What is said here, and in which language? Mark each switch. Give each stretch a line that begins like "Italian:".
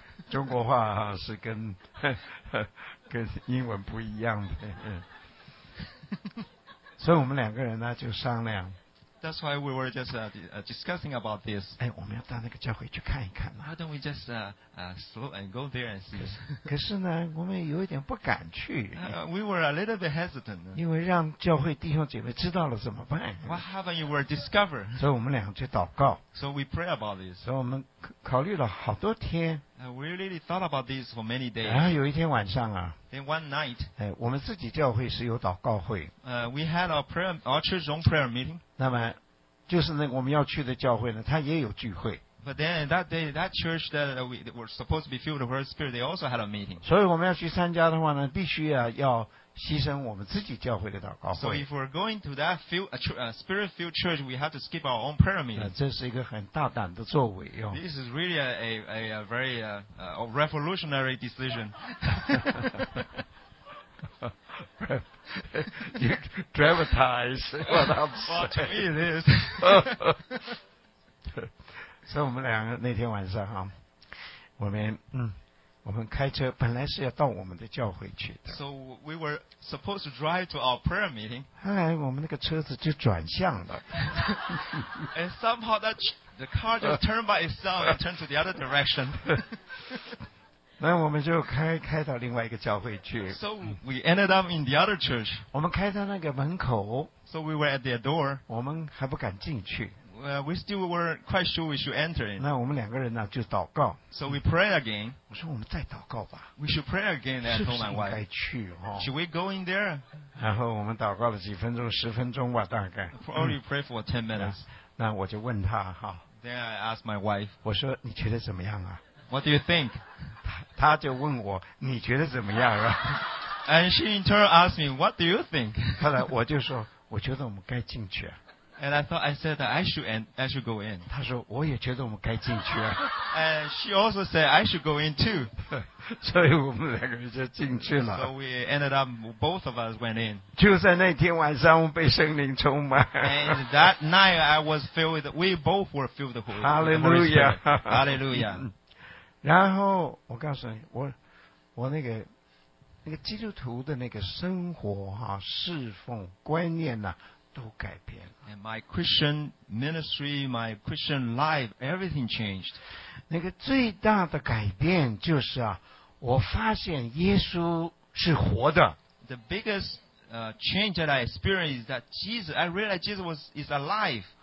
Chinese: 中国话啊，是跟跟英文不一样的。所以我们两个人呢，就商量。
English: That's why we were just discussing about this.
Chinese: 哎，我们要到那个教会去看一看嘛。
English: Why don't we just slow and go there and see?
Chinese: 可是呢，我们有一点不敢去。
English: We were a little bit hesitant.
Chinese: 因为让教会弟兄姐妹知道了怎么办
English: ？What happened? You were discovered.
Chinese: 所以我们俩就祷告。
English: So we pray about this.
Chinese: 所以我们考虑了好多天。
English: We really thought about this for many days.
Chinese: 然后有一天晚上啊。
English: Then one night.
Chinese: 哎，我们自己教会是有祷告会。
English: We had our church own prayer meeting.
Chinese: 那么，就是那我们要去的教会呢，它也有聚会。
English: But then that day, that church that we were supposed to be filled with the Holy Spirit, they also had a meeting.
Chinese: 所以我们要去参加的话呢，必须啊要牺牲我们自己教会的祷告会。
English: So if we're going to that spirit-filled church, we have to skip our own prayer meeting.
Chinese: 这是一个很大胆的作为哟。
English: This is really a very revolutionary decision. You dramatize what I'm saying. Well, to me it is.
Chinese: 所以我们两个那天晚上哈，我们开车本来是要到我们的教会去的。
English: So we were supposed to drive to our prayer meeting.
Chinese: 后来我们那个车子就转向了。
English: And somehow that the car just turned by itself and turned to the other direction.
Chinese: 那我们就开到另外一个教会去。
English: So we ended up in the other church.
Chinese: 我们开到那个门口。
English: So we were at their door.
Chinese: 我们还不敢进去。
English: We still were quite sure we should enter in.
Chinese: 那我们两个人呢就祷告。
English: So we pray again.
Chinese: 我说我们再祷告吧。
English: We should pray again. I told my wife.
Chinese: 是不是应该去哦？
English: Should we go in there?
Chinese: 然后我们祷告了几分钟，十分钟吧，大概。
English: Probably pray for 10 minutes.
Chinese: 那我就问他哈。
English: Then I asked my wife.
Chinese: 我说你觉得怎么样啊？
English: What do you think?
Chinese: 他就问我你觉得怎么样啊？
English: And she in turn asked me, what do you think?
Chinese: 后来我就说，我觉得我们该进去啊。
English: And I thought, I said that I should go in.
Chinese: 他说我也觉得我们该进去啊。
English: And she also said I should go in too.
Chinese: 所以我们两个人就进去了。
English: So we ended up, both of us went in.
Chinese: 就在那天晚上，我们被圣灵充满。
English: And that night I was filled with, we both were filled with the Holy Spirit. Hallelujah. Hallelujah.
Chinese: 然后我告诉你，我那个基督徒的那个生活哈、啊、侍奉观念呢、啊。都改变了。
English: And my Christian ministry, my Christian life, everything changed.
Chinese: 那个最大的改变就是啊，我发现耶稣是活的。
English: The biggest change that I experienced is that Jesus, I realized Jesus is alive.